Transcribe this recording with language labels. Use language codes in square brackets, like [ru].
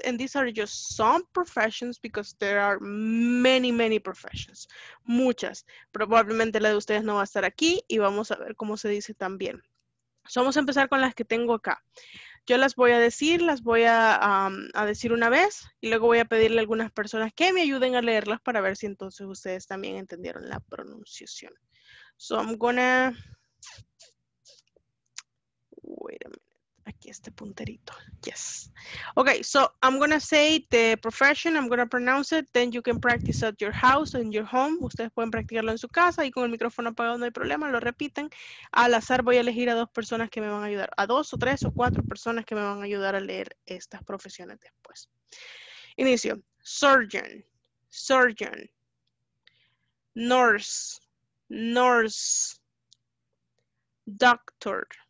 [en] And these are just some professions because there are many, many professions. [es] Muchas. Probablemente la de ustedes no va a estar aquí. Y vamos a ver cómo se dice también. [en] So [es] vamos a empezar con las que tengo acá. Yo las voy a decir, las voy a decir una vez y luego voy a pedirle a algunas personas que me ayuden a leerlas para ver si entonces ustedes también entendieron la pronunciación. [en] So I'm gonna... Wait a minute. [es] Aquí este punterito. [en] Yes. Okay, so I'm gonna say the profession, I'm gonna pronounce it, then you can practice at your house, in your home. [es] Ustedes pueden practicarlo en su casa y con el micrófono apagado no hay problema, lo repiten. Al azar voy a elegir a dos personas que me van a ayudar, a dos o tres o cuatro personas que me van a ayudar a leer estas profesiones después. [en] Inicio. Surgeon. Nurse. Doctor.